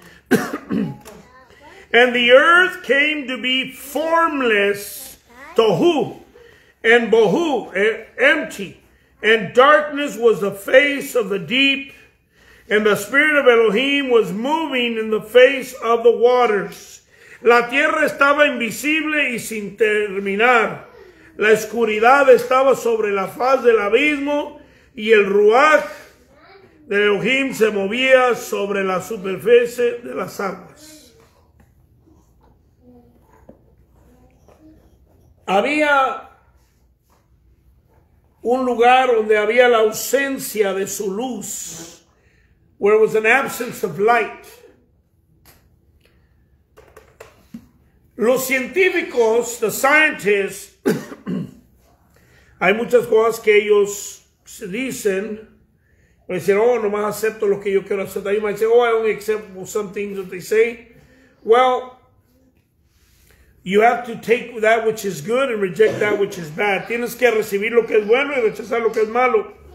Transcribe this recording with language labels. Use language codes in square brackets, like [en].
[en] And the earth came to be formless, tohu, and bohu, empty. And darkness was the face of the deep, and the spirit of Elohim was moving in the face of the waters. [es] La tierra estaba invisible y sin terminar. La oscuridad estaba sobre la faz del abismo y el ruaj de Elohim se movía sobre la superficie de las aguas. Había un lugar donde había la ausencia de su luz. [en] Where was an absence of light. [es] Los científicos, [en] the scientists, [es] hay muchas cosas que ellos dicen. Me dicen, oh, nomás acepto lo que yo quiero aceptar. [en] You might say, oh, I only accept some things that they say. Well, you have to take that which is good and reject that which is bad. [es] Tienes que recibir lo que es bueno y rechazar lo que es malo.